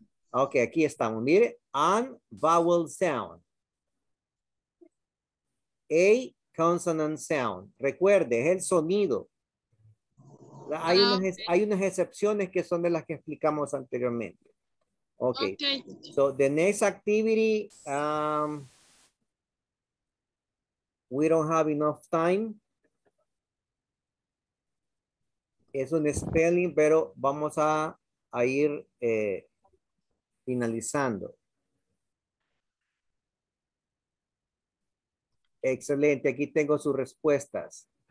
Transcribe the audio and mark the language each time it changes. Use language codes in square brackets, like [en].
[es] Ok, aquí estamos, mire. [en] An vowel sound. A consonant sound. [es] Recuerde, es el sonido. Hay, hay unas excepciones que son de las que explicamos anteriormente. [en] Okay. So the next activity, we don't have enough time. [es] Es un spelling, pero vamos a ir finalizando. Excelente, aquí tengo sus respuestas.